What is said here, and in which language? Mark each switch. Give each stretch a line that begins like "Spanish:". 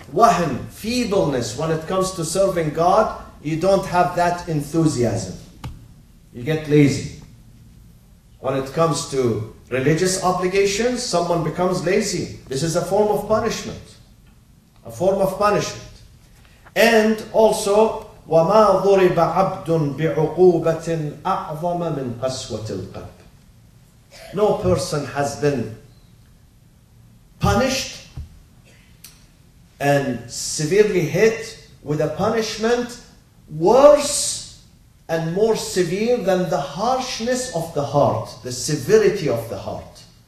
English: Wahn, feebleness. When it comes to serving God, you don't have that enthusiasm. You get lazy. When it comes to religious obligations, someone becomes lazy. This is a form of punishment. A form of punishment. And also,
Arabic: وَمَا ضُرِبَ عَبْدٌ بِعُقُوبَةٍ أَعْظَمَ مِنْ قَسْوَةِ الْقَلْبِ.
English: No person has been punished and severely hit with a punishment worse and more severe than the harshness of the heart, the severity of the heart.